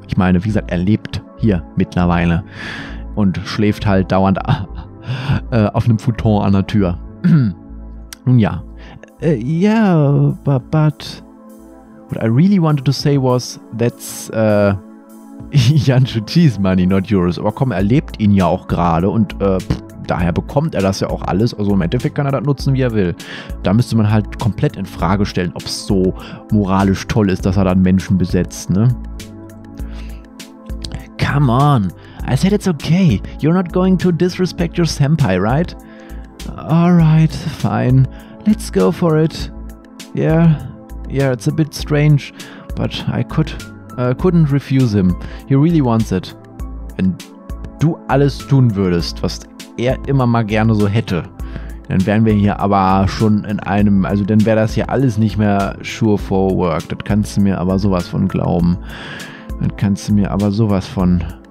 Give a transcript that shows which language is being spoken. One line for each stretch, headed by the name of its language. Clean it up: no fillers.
German: Ich meine, wie gesagt, er lebt hier mittlerweile. Und schläft halt dauernd auf einem Futon an der Tür. Nun ja.
English: Yeah, but... What I really wanted to say was, that's... Jan Schutis money, not yours.
German: Aber komm, er lebt ihn ja auch gerade und daher bekommt er das ja auch alles. Also im Endeffekt kann er das nutzen, wie er will. Da müsste man halt komplett in Frage stellen, ob es so moralisch toll ist, dass er dann Menschen besetzt, ne?
English: Come on. I said it's okay. You're not going to disrespect your senpai, right? Alright, fine. Let's go for it. Yeah, it's a bit strange, but I couldn't refuse him. He really wants it.
German: Wenn du alles tun würdest, was er immer mal gerne so hätte, dann wären wir hier aber schon in einem, also dann wäre das hier alles nicht mehr sure for work. Das kannst du mir aber sowas von glauben. Das kannst du mir aber sowas von...